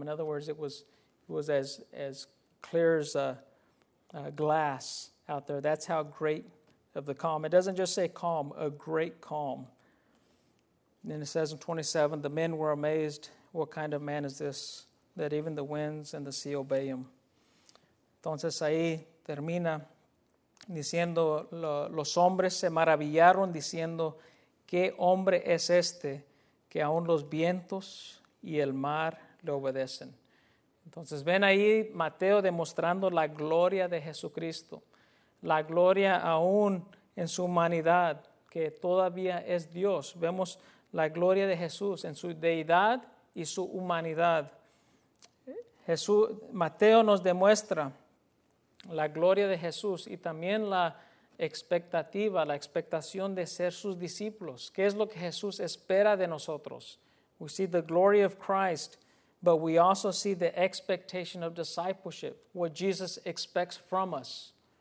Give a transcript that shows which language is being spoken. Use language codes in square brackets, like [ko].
[en] In other words, it was as clear as a glass out there. That's how great of the calm. It doesn't just say calm, a great calm. And then it says in 27, the men were amazed, what kind of man is this, that even the winds and the sea obey him. [es] Entonces ahí termina diciendo, los hombres se maravillaron diciendo, ¿qué hombre es este que aún los vientos y el mar le obedecen? Entonces ven ahí Mateo demostrando la gloria de Jesucristo, la gloria aún en su humanidad, que todavía es Dios. Vemos la gloria de Jesús en su deidad y su humanidad. Mateo nos demuestra la gloria de Jesús y también la expectación de ser sus discípulos. ¿Qué es lo que Jesús espera de nosotros? [en] We see the glory of Christ, but we also see the expectation of discipleship, what Jesus expects from us.